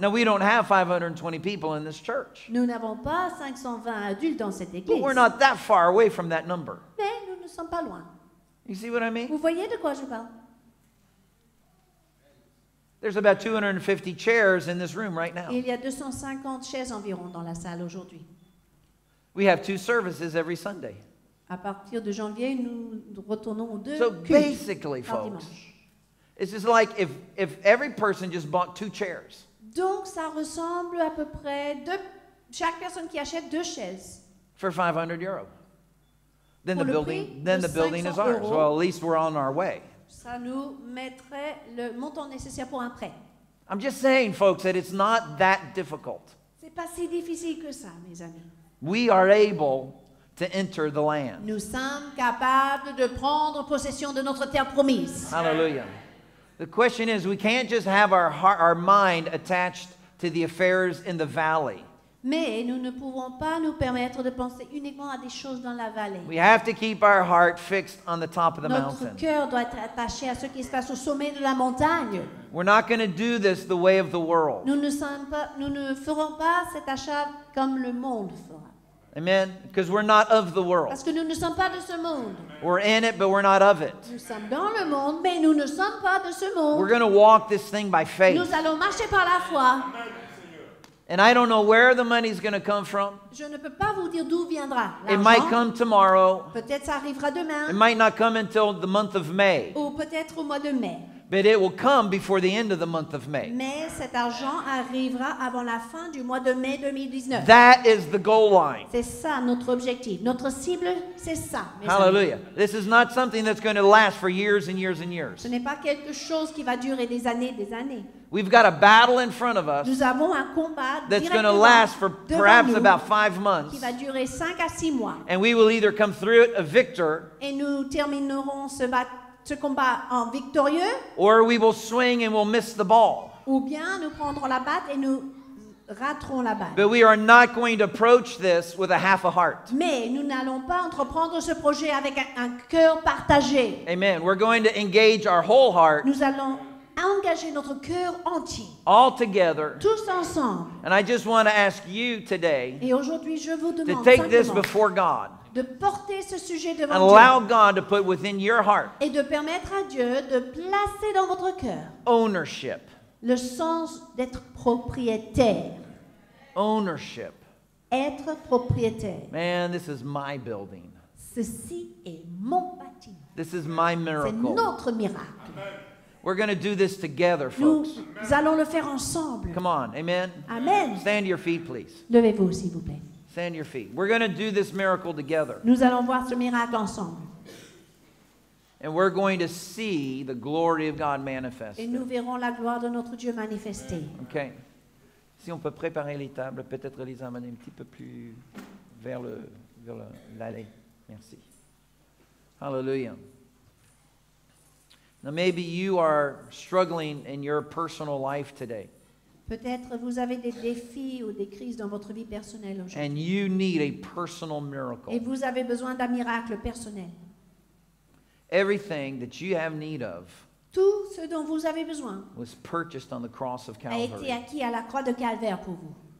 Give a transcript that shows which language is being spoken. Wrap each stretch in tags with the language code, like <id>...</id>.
<en>Now, we don't have 520 people in this church.</en> <fr>Nous n'avons pas 520 adultes dans cette église.</fr> <en>But we're not that far away from that number.</en> <fr>Mais nous ne sommes pas loin.</fr> <en>You see what I mean?</en> <fr>Vous voyez de quoi je parle?</fr> <en>There's about 250 chairs in this room right now.</en> <fr>Il y a 250 chaises environ dans la salle aujourd'hui.</fr> <en>We have two services every Sunday.</en> <fr>À partir de janvier, nous retournons aux deux cultes par dimanche.</fr> <en>So basically, folks, it's just like if every person just bought two chairs.</en> <fr>Donc ça ressemble à peu près de chaque personne qui achète deux chaises.</fr> <en>For 500 euros. Then the building, then the building is ours. Euros, well, at least we're on our way.</en> <fr>Ça nous mettrait le montant nécessaire pour un prêt.</fr> <en>I'm just saying, folks, that it's not that difficult.</en> <fr>C'est pas si difficile que ça, mes amis.</fr> <en>We are able to enter the land.</en> <fr>Nous sommes capables de prendre possession de notre terre promise.</fr> <en>Hallelujah. The question is, we can't just have our heart, our mind attached to the affairs in the valley.</en> <fr>Mais nous ne pouvons pas nous permettre de penser uniquement à des choses dans la vallée.</fr> <en>We have to keep our heart fixed on the top of the</en> <fr>Notre</fr> <en>mountain.</en> <fr>Notre cœur doit être attaché à ce qui se passe au sommet de la montagne.</fr> <en>We're not going to do this the way of the world.</en> <fr>Nous ne ferons pas cet achat comme le monde fera.</fr> <en>Amen. Because we're not of the world.</en> <fr>Parce que nous ne sommes pas de ce monde.</fr> <en>We're in it, but we're not of it.</en> <fr>Nous sommes dans le monde, mais nous ne sommes pas de ce monde.</fr> <en>We're going to walk this thing by faith.</en> <fr>Nous allons marcher par la foi.</fr> <en>And I don't know where the money's going to come from.</en> <fr>Je ne peux pas vous dire d'où viendra l'argent.</fr> <en>It might come tomorrow.</en> <fr>Peut-être ça arrivera demain.</fr> <en>It might not come until the month of May.</en> <fr>Ou peut-être au mois de mai.</fr> <en>But it will come before the end of the month of May.</en> <fr>Mais cet argent arrivera avant la fin du mois de mai 2019.</fr> <en>That is the goal line.</en> <fr>C'est ça notre objectif. Notre cible, c'est ça.</fr> <en>Hallelujah. This is not something that's going to last for years and years and years.</en> <fr>Ce n'est pas quelque chose qui va durer des années et des années.</fr> <en>We've got a battle in front of us.</en> <fr>Nous avons un combat</fr> <en>that's going to last for perhaps about 5 months.</en> <fr>Qui va durer 5 à 6 mois.</fr> <en>And we will either come through it a victor.</en> <fr>Et nous terminerons ce battle. Ce combat en victorieux,</fr> <en>or we will swing and we'll miss the ball.</en> <fr>Ou bien nous prendrons la batte et nous raterons la balle.</fr> <en>But we are not going to approach this with a half a heart.</en> <fr>Mais nous n'allons pas entreprendre ce projet avec un cœur partagé.</fr> <en>Amen. We're going to engage our whole heart.</en> <fr>Nous allons engager notre cœur entier.</fr> <en>All together.</en> <fr>Tous ensemble.</fr> <en>And I just want to ask you today.</en> <fr>Et aujourd'hui, je vous demande</fr> <en>to take this before God.</en> <fr>De porter ce sujet devant</fr> <en>Dieu. Allow God to put within your heart.</en> <fr>Et de permettre à Dieu de placer dans votre cœur.</fr> <en>Ownership.</en> <fr>Le sens d'être propriétaire.</fr> <en>Ownership.</en> <fr>Être propriétaire.</fr> <en>Man, this is my building.</en> <fr>Ceci est mon bâtiment.</fr> <en>This is my miracle.</en> <fr>C'est notre miracle.</fr> <en>Amen. We're going to do this together,</en> <fr>nous</fr> <en>folks.</en> <fr>Nous allons le faire ensemble.</fr> <en>Come on, amen. Amen. Stand to your feet, please.</en> <fr>Levez-vous, s'il vous plaît.</fr> <en>Stand your feet. We're going to do this miracle together.</en> <fr>Nous allons voir ce miracle ensemble.</fr> <en>And we're going to see the glory of God manifest.</en> <fr>Et nous verrons la gloire de notre Dieu manifestée.</fr> <en>Okay.</en> <fr>Si on peut préparer les tables, peut-être les amener un petit peu plus vers l'allée. Merci. Hallelujah.</fr> <en>Now maybe you are struggling in your personal life today.</en> <fr>Peut-être vous avez des défis ou des crises dans votre vie personnelle aujourd'hui.</fr> <en>And you need a personal miracle.</en> <fr>Et vous avez besoin d'un miracle personnel.</fr> <en>Everything that you have need of</en> <fr>tout ce dont vous avez besoin</fr> <en>was purchased on the cross of Calvary.</en> <fr>A été acquis à la croix de Calvaire pour vous.</fr>